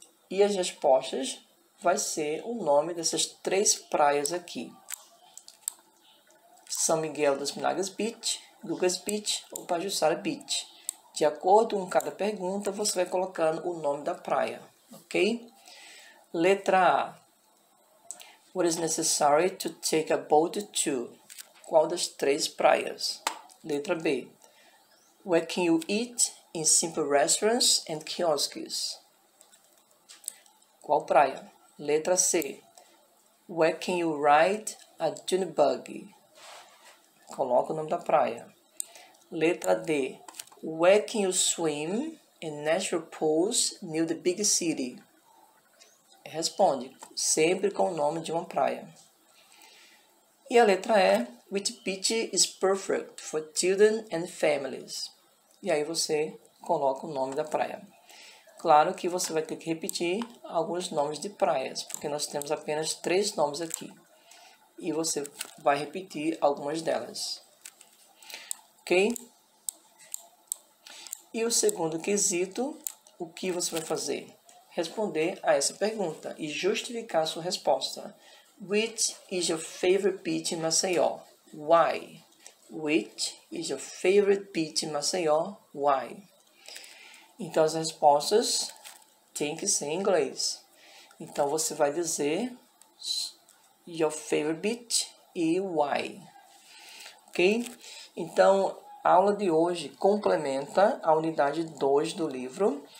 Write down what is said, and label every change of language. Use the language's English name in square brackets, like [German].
[Portuguese] E as respostas vai ser o nome dessas três praias aqui: São Miguel dos Milagres Beach, Gugas Beach ou Pajuçara Beach. De acordo com cada pergunta, você vai colocando o nome da praia. Ok? Letra A. [English] What is necessary to take a boat to? [Portuguese] Qual das três praias? Letra B. [English] Where can you eat in simple restaurants and kiosks? [Portuguese] Qual praia? Letra C. [English] Where can you ride a dune buggy? [Portuguese] Coloca o nome da praia. Letra D. [English] Where can you swim in natural pools near the big city? [Portuguese] Responde, sempre com o nome de uma praia. E a letra E. [English] Which beach is perfect for children and families? [Portuguese] E aí você coloca o nome da praia. Claro que você vai ter que repetir alguns nomes de praias, porque nós temos apenas três nomes aqui. E você vai repetir algumas delas. Ok? E o segundo quesito, o que você vai fazer? Responder a essa pergunta e justificar a sua resposta. [English] Which is your favorite beach in Maceió? Why? Which is your favorite beach in Maceió? Why? [Portuguese] Então, as respostas têm que ser em inglês. Então, você vai dizer [English] your favorite beach [Portuguese] e why. Ok? Então, a aula de hoje complementa a unidade 2 do livro.